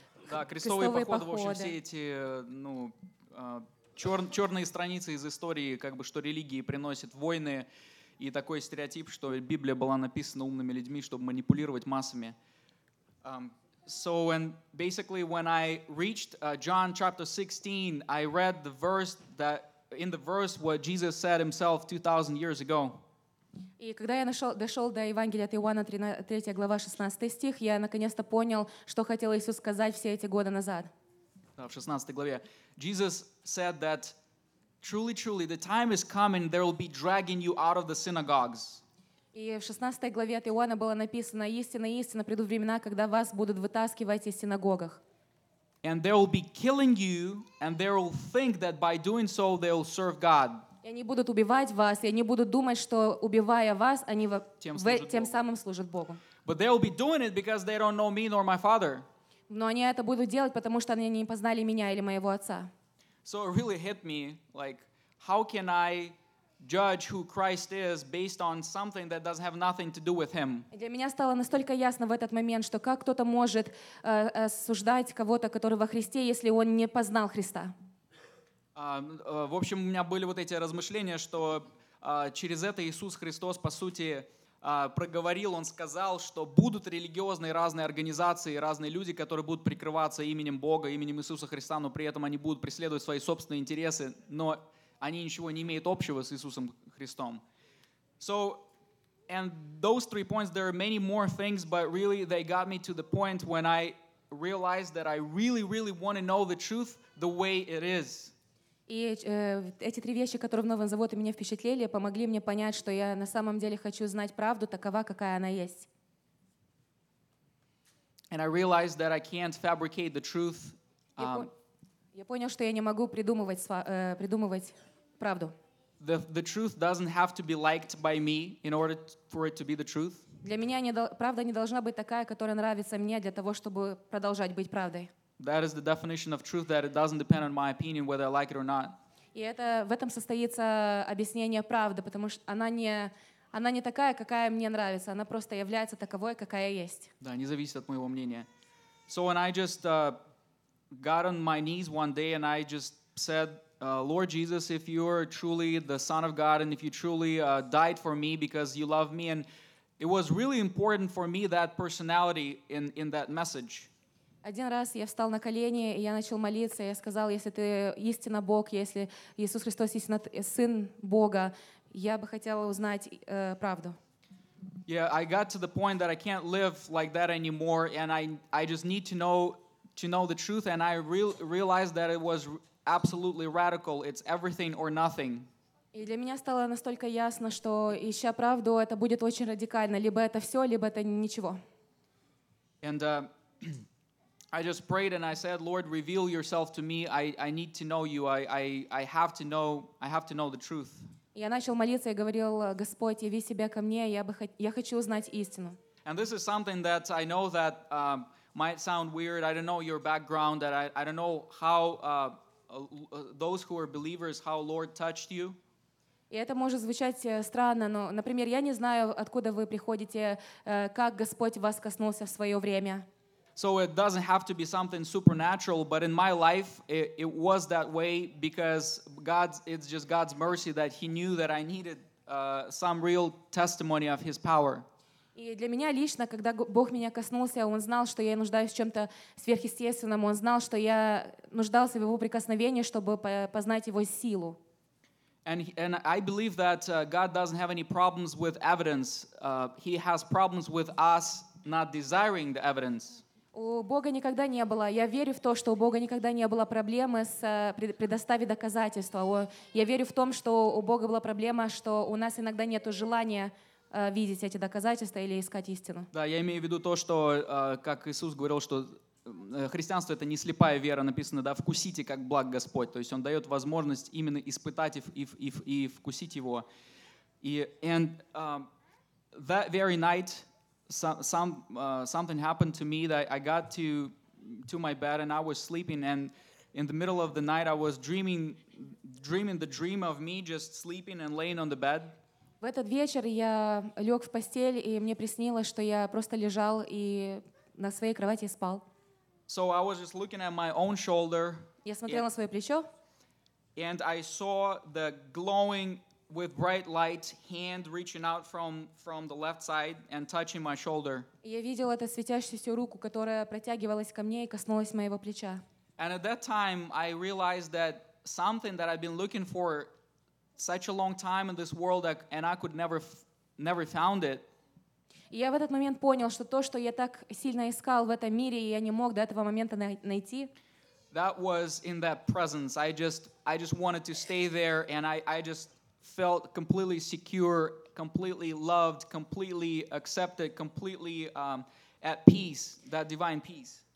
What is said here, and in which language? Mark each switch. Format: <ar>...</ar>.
<ru>Да, крестовые походы, в общем, все эти, ну, черные страницы из истории, как бы, что религии приносят войны, и такой стереотип, что Библия была написана умными людьми, чтобы манипулировать массами.</ru> <en>So, and basically, when I reached John chapter 16, I read the verse that, in the verse, what Jesus said himself 2,000 years ago.</en> <ru>И когда я дошел до Евангелия от Иоанна, 3 глава, 16 стих, я наконец-то понял, что хотел Иисус сказать все эти годы назад. В 16 главе.</ru> <en>Jesus said that, truly, truly, the time is coming, there will be dragging you out of the synagogues.</en> <ru>И в 16 главе от Иоанна было написано, истинно, истинно, придут времена, когда вас будут вытаскивать из синагогах.</ru> <en>And they will be killing you, and they will think that by doing so, they will serve God.</en> <ru>И они будут убивать вас, и они будут думать, что убивая вас, они тем самым служат Богу.</ru> <en>But they will be doing it because they don't know me nor my father.</en> <ru>Но они это будут делать, потому что они не познали меня или моего отца.</ru> <en>So it really hit me, like, how can I judge who Christ is based on something that doesn't have nothing to do with him?</en> <ru>Для меня стало настолько ясно в этот момент, что как кто-то может осуждать кого-то, который во Христе, если он не познал Христа. В общем, у меня были вот эти размышления, что через это Иисус Христос, по сути, проговорил, Он сказал, что будут религиозные разные организации, разные люди, которые будут прикрываться именем Бога, именем Иисуса Христа, но при этом они будут преследовать свои собственные интересы, но они ничего не имеют общего с Иисусом Христом.</ru> <en>So, and those three points, there are many more things, but really they got me to the point when I realized that I really, really want to know the truth the way it is.</en> <ru>И эти три вещи, которые в Новом Заводе меня впечатлили, помогли мне понять, что я на самом деле хочу знать правду такова, какая она есть.</ru> <en>And I realized that I can't fabricate the truth.</en> <ru>Я понял, что я не могу придумывать правду.</ru> <en>The truth doesn't have to be liked by me in order for it to be the truth.</en> <ru>Для меня правда не должна быть такая, которая нравится мне для того, чтобы продолжать быть правдой.</ru> <en>That is the definition of truth, that it doesn't depend on my opinion, whether I like it or not.</en> <ru>И это в этом состоится объяснение правды, потому что она не такая, какая мне нравится, она просто является таковой, какая есть. Да, не зависит от моего мнения.</ru> <en>So when I just got on my knees one day and I just said Lord Jesus, if you are truly the Son of God and if you truly died for me because you love me, and it was really important for me, that personality in that message.</en> <ru>Один раз я встал на колени, и я начал молиться, и я сказал, если ты истинно Бог, если Иисус Христос истинно Сын Бога, я бы хотела узнать правду.</ru> <en>Yeah, I got to the point that I can't live like that anymore, and I just need to know the truth, and I realized that it was absolutely radical. It's everything or nothing.</en> <ru>И для меня стало настолько ясно, что ища правду, это будет очень радикально. Либо это все, либо это ничего.</ru> <en>And I just prayed and I said, Lord, reveal yourself to me. I need to know you. I have to know the truth.</en> <ru>Я начал молиться и говорил, Господь, яви себя ко мне, я хочу узнать истину.</ru> <en>And this is something that I know that might sound weird. I don't know your background, that I don't know how those who are believers, how Lord touched you.</en> <ru>И это может звучать странно, но, например, я не знаю, откуда вы приходите, как Господь вас коснулся в свое время.</ru> <en>So it doesn't have to be something supernatural, but in my life it was that way because it's just God's mercy that he knew that I needed some real testimony of his power.</en> <ru>И для меня лично, когда Бог меня коснулся, он знал, что я нуждаюсь в чем-то сверхъестественном, он знал, что я нуждался в его прикосновении, чтобы познать его силу.</ru> <en>And I believe that God doesn't have any problems with evidence. He has problems with us not desiring the evidence.</en> <ru>У Бога никогда не было. Я верю в то, что у Бога никогда не было проблемы с предоставить доказательства. Я верю в том, что у Бога была проблема, что у нас иногда нету желания видеть эти доказательства или искать истину. Да, я имею в виду то, что, как Иисус говорил, что христианство — это не слепая вера, написано, да, вкусите, как благ Господь. То есть он дает возможность именно испытать и вкусить его.</ru> <en>And that very night, something happened to me that I got to my bed and I was sleeping, and in the middle of the night I was dreaming the dream of me just sleeping and laying on the bed.</en> <ru>В этот вечер я лег в постель, и мне приснилось, что я просто лежал и на своей кровати спал.</ru> <en>So I was just looking at my own shoulder.</en> <ru>Я смотрел на свое плечо.</ru> <en>And I saw the glowing with bright light, hand reaching out from the left side and touching my shoulder.</en> <ru>Я видел эту светящуюся руку, которая протягивалась ко мне и коснулась моего плеча.</ru> <en>And at that time, I realized that something that I've been looking for such a long time in this world, and I could never found it.</en> <ru>Я в этот момент понял, что то, что я так сильно искал в этом мире, и я не мог до этого момента найти.</ru> <en>That was in that presence. I just wanted to stay there, and I just felt completely secure, completely loved, completely accepted, completely at peace, that divine peace.</en>